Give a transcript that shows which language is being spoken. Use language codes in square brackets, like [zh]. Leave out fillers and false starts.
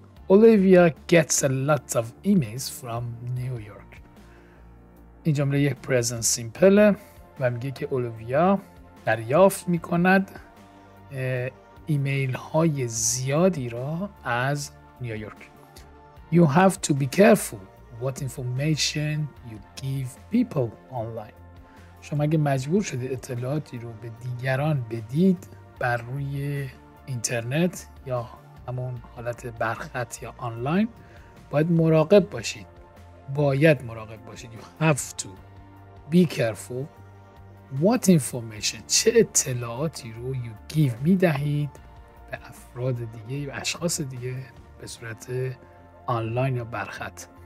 [en] Olivia gets a lot of emails from New York. [fa] این جمله یک present simple و میگه که Olivia دریافت میکند ایمیل های زیادی را از نیویورک. [en] You have to be careful what information you give people online. [fa] شما اگه مجبور شدید اطلاعاتی رو به دیگران بدید بر روی اینترنت یا همون حالت برخط یا آنلاین، باید مراقب باشید. باید مراقب باشید. [en] You have to be careful what information، [fa] چه اطلاعاتی رو [en] you give، [fa] میدهید به افراد دیگه و اشخاص دیگه به صورت آنلاین یا برخط.